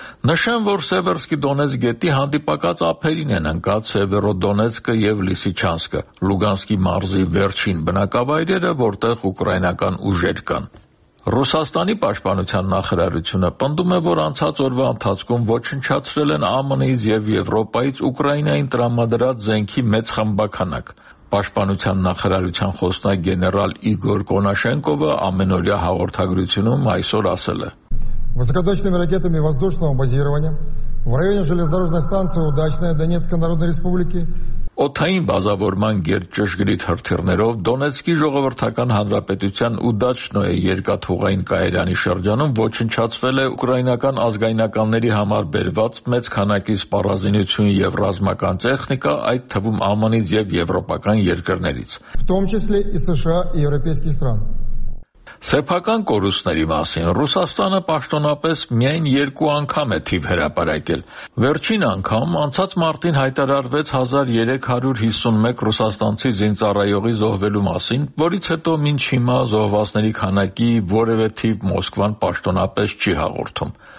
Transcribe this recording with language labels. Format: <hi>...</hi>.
<hy>Նշեմ, որ Սևերսկի Դոնեց գետի հանդիպակաց ափերին են ընկած Սևերոդոնեցկը և Լիսիչանսկը, Լուգանսկի մարզի վերջին բնակավայրերը, որտեղ ուկրաինական ուժեր կան։ Ռուսաստանի պաշտպանության նախարարությունը պնդում է, որ անցած օրվա ընթացքում ոչնչացրել են ԱՄՆ-ից և Եվրոպայից Ուկրաինային տրամադրած զենքի մեծ խմբականակ։ Պաշտպանության նախարարության խոսնակ գեներալ Իգոր Կոնաշենկովը ամենօրյա հաղորդագրությունում այսօր ասել է.</hy> <ru>Высокоточными ракетами воздушного базирования в районе железнодорожной станции «Удачная» Донецкой Народной Республики.</ru> <hy>Օթային բազավորման գերճշգրիտ հրթիռներով Դոնեցկի ժողովրդական հանրապետության Ուդաչնոյի երկաթուղային կայարանի շրջանում ոչնչացվել է ուկրաինական ազգայնականների համար բերված մեծ քանակի սպառազինություն և ռազմական տեխնիկա, այդ թվում ԱՄՆ-ից և եվրոպական երկրներից։</hy> <ru>В том числе и США и европейских стран.</ru> <hy>Սեփական կորուստների մասին Ռուսաստանը պաշտոնապես միայն 2 անգամ է թիվ հրապարակել։ Վերջին անգամ անցած մարտին հայտարարվեց 1351 ռուսաստանցի զինծառայողի զոհվելու մասին, որից հետո մինչ հիմա զոհվածների քանակի որևէ թիվ Մոսկվան պաշտոնապես չի հաղորդում։</hy>